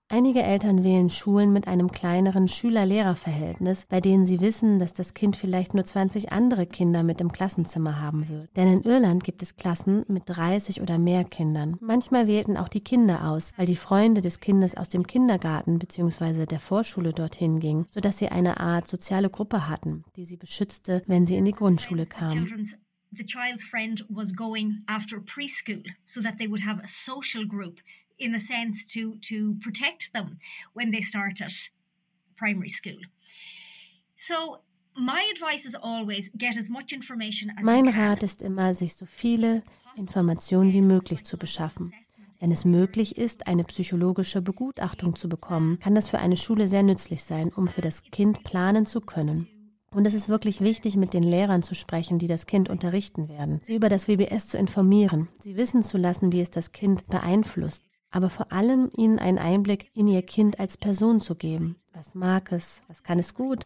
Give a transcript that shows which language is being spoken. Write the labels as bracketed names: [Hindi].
[German] Einige Eltern wählen Schulen mit einem kleineren Schüler-Lehrer-Verhältnis, bei denen sie wissen, dass das Kind vielleicht nur 20 andere Kinder mit im Klassenzimmer haben wird. Denn in Irland gibt es Klassen mit 30 oder mehr Kindern. Manchmal wählten auch die Kinder aus, weil die Freunde des Kindes aus dem Kindergarten bzw. der Vorschule dorthin gingen, sodass sie eine Art soziale Gruppe hatten, die sie beschützte, wenn sie in die Grundschule kamen. [English] The child's friend was going after preschool, so that they would have a social group, in a sense to protect them when they started primary school. So my advice is always get as much information as. [German] Mein Rat ist immer, sich so viele Informationen wie möglich zu beschaffen. Wenn es möglich ist, eine psychologische Begutachtung zu bekommen, kann das für eine Schule sehr nützlich sein, um für das Kind planen zu können. Und es ist wirklich wichtig, mit den Lehrern zu sprechen, die das Kind unterrichten werden, sie über das WBS zu informieren, sie wissen zu lassen, wie es das Kind beeinflusst, aber vor allem ihnen einen Einblick in ihr Kind als Person zu geben. Was mag es? Was kann es gut?